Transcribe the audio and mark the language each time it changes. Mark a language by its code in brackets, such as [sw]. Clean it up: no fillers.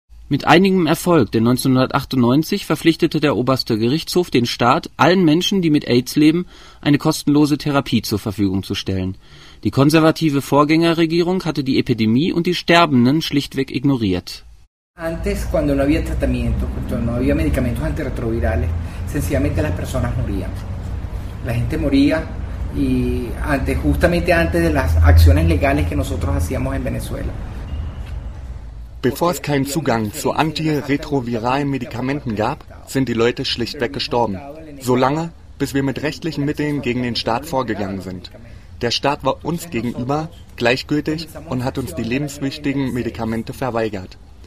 [de] Mit einigem Erfolg, denn 1998 verpflichtete der oberste Gerichtshof den Staat, allen Menschen, die mit AIDS leben, eine kostenlose Therapie zur Verfügung zu stellen. Die konservative Vorgängerregierung hatte die Epidemie und die Sterbenden schlichtweg ignoriert. [es] Antes, cuando no había tratamiento, no había medicamentos antirretrovirales, sencillamente las personas morían. La gente moría y justamente antes de las acciones legales que nosotros hacíamos en Venezuela. [de] Bevor es keinen Zugang zu antiretroviralen Medikamenten gab, sind die Leute schlichtweg gestorben. So lange, bis wir mit rechtlichen Mitteln gegen den Staat vorgegangen sind. Der Staat war uns gegenüber gleichgültig und hat uns die lebenswichtigen Medikamente verweigert.